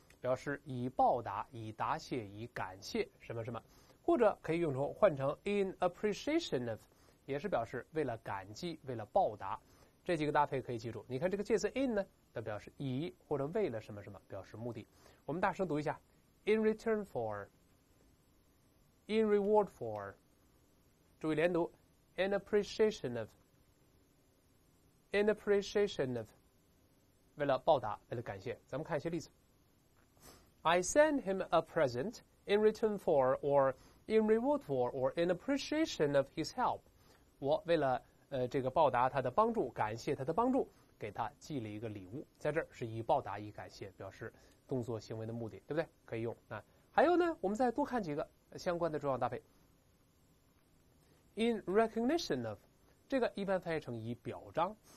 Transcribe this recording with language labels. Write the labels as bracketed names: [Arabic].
[Chinese] 表示以报答、以答谢、以感谢什么什么，或者可以用成换成 in appreciation of， 也是表示为了感激、为了报答。这几个搭配可以记住。你看这个介词 in 呢，它表示以或者为了什么什么表示目的。我们大声读一下 ：in return for， in reward for， 注意连读 ，in appreciation of， in appreciation of， 为了报答、为了感谢。咱们看一些例子。 [English] I send him a present in return for, or in reward for, or in appreciation of his help. [Chinese] 我为了这个报答他的帮助，感谢他的帮助，给他寄了一个礼物。在这儿是以报答、以感谢表示动作行为的目的，对不对？可以用。还有呢，我们再多看几个相关的重要搭配。In recognition of， 这个一般翻译成以表彰。